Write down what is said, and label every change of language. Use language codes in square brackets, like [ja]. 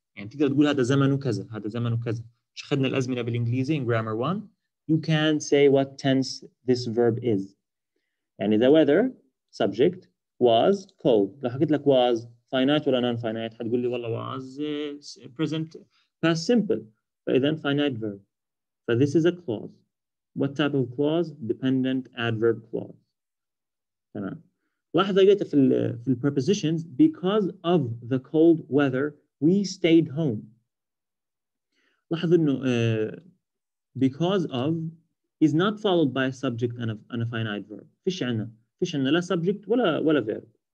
[ar] يعني تقدر تقول هذا زمن وكذا هذا زمن وكذا. مش خدنا الأزمنة بالإنجليزي [en] in grammar one. You can say what tense this verb is. يعني the weather subject was cold. [ar] لو حكيت لك [en] was finite ولا non-finite [ar] حتقول لي والله [en] was present past simple. فإذا finite verb. So this is a clause. What type of clause? Dependent adverb clause. تمام. [ar] لاحظ لقيت في الـ [en] prepositions because of the cold weather we stayed home. [ar] لاحظ إنه [en] because of is not followed by a subject and a finite verb. [ar] فيش عنا لا subject ولا verb.